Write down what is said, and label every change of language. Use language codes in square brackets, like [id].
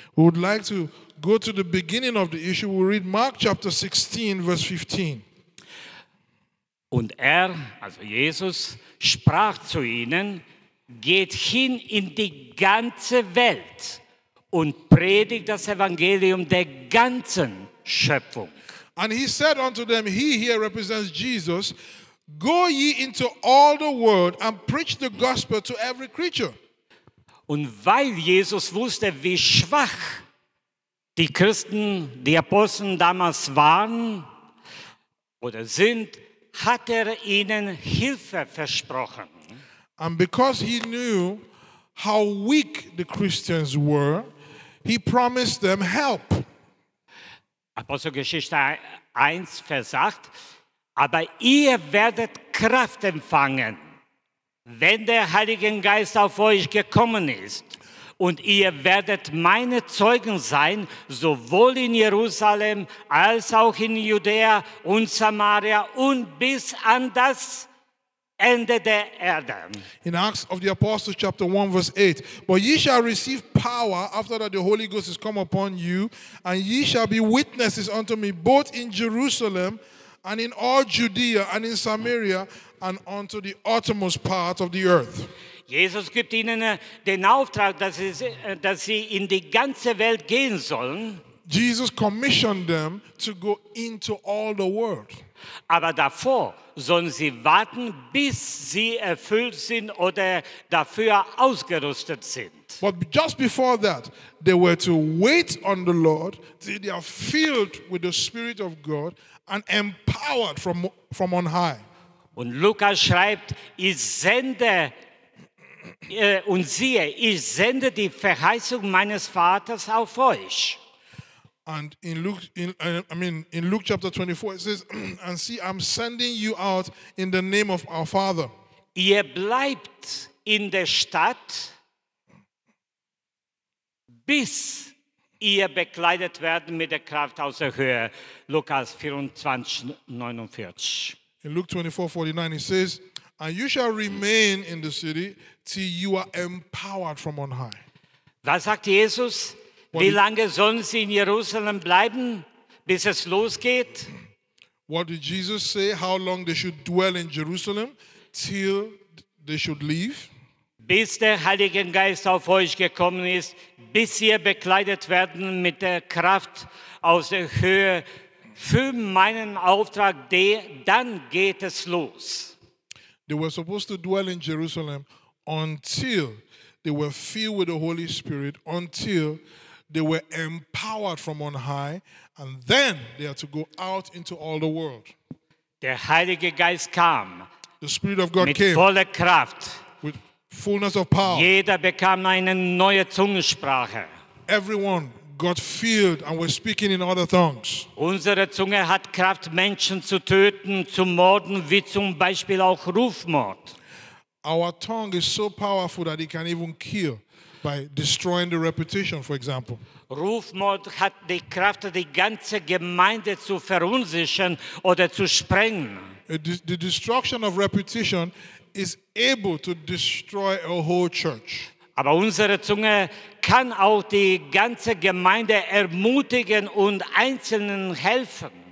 [en] We would like to go to the beginning of the issue. We read Mark chapter 16 verse 15. [de] Und er, also Jesus, sprach zu ihnen: Geht hin in die ganze Welt und predigt das Evangelium der ganzen Schöpfung. [en] And he said unto them, he here represents Jesus, go ye into all the world and preach the gospel to every creature. [de] Und weil Jesus wusste, wie schwach die Christen, die Aposteln damals waren oder sind, hat er ihnen Hilfe versprochen. [en] And because he knew how weak the Christians were, he promised them help. [de] Apostelgeschichte 1, Vers 8, aber ihr werdet Kraft empfangen, wenn der Heilige Geist auf euch gekommen ist. Und ihr werdet meine Zeugen sein, sowohl in Jerusalem als auch in Judäa und Samaria und bis an das Ende der Erde. [en] In Acts of the Apostles, chapter 1, verse 8. But ye shall receive power after that the Holy Ghost is come upon you, and ye shall be witnesses unto me, both in Jerusalem and in all Judea and in Samaria and unto the uttermost part of the earth. [de] Jesus gibt ihnen den Auftrag, dass sie in die ganze Welt gehen sollen. [en] Jesus commissioned them to go into all the world. [de] Aber davor sollen sie warten, bis sie erfüllt sind oder dafür ausgerüstet sind. [en] But just before that, they were to wait on the Lord till they are filled with the Spirit of God and empowered from on high. [de] Und Lukas schreibt, ich sende die Verheißung meines Vaters auf euch. [en] And in Luke chapter 24 it says, and see, I'm sending you out in the name of our Father. [de] Ihr bleibt in der Stadt, bis ihr bekleidet werdet mit der Kraft aus der Höhe. Lukas 24, 49. [en] In Luke 24, 49, it says, and you shall remain in the city till you are empowered from on high. [de] Was sagt Jesus? Wie lange sollen sie in Jerusalem bleiben, bis es losgeht? [en] What did Jesus say? How long they should dwell in Jerusalem till they should leave? [de] Bis der Heilige Geist auf euch gekommen ist, bis ihr bekleidet werden mit der Kraft aus der Höhe für meinen Auftrag, dann geht es los. [en] They were supposed to dwell in Jerusalem until they were filled with the Holy Spirit, until they were empowered from on high, and then they had to go out into all the world. [de] Der Heilige Geist kam. [en] The Spirit of God [de] mit [en] came. [de] Mit voller Kraft. [en] With fullness of power. [de] Jeder bekam eine neue Zungensprache. [en] Everyone got filled and was speaking in other tongues. [de] Unsere Zunge hat Kraft, Menschen zu töten, zu morden, wie zum Beispiel auch Rufmord. [en] Our tongue is so powerful that it can even kill by destroying the reputation, for example. [de] Rufmord hat die Kraft, die ganze Gemeinde zu verunsichern oder zu sprengen. [en] The destruction of reputation is able to destroy a whole church. [de] Aber unsere Zunge kann auch die ganze Gemeinde ermutigen und einzelnen helfen.